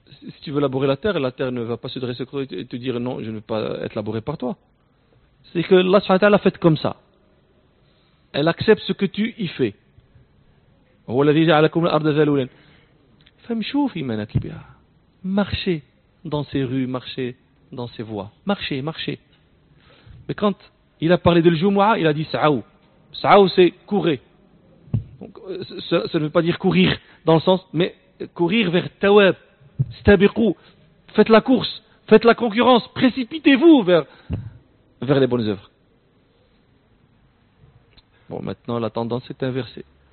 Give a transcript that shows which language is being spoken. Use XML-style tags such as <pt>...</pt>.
<fr>si tu veux labourer la terre ne va pas se dresser contre toi et te dire non, je ne veux pas être labouré par toi. C'est que Allah subhanahu wa ta'ala a fait comme ça. Elle accepte ce que tu y fais.</fr> <ar>هو الذي جعلكم الأرض ذلولا فامشوا في مناكبها.</ar> <fr>Marchez dans ces rues, marchez dans ces voies, marchez, marchez. Mais quand il a parlé de le Jumu'a, il a dit sa'ou. Sa'ou, c'est courir. Donc ça ne veut pas dire courir dans le sens, mais courir vers Tawab. Stabiqou, faites la course, faites la concurrence, précipitez-vous vers les bonnes œuvres. Bon, maintenant la tendance est inversée.</fr>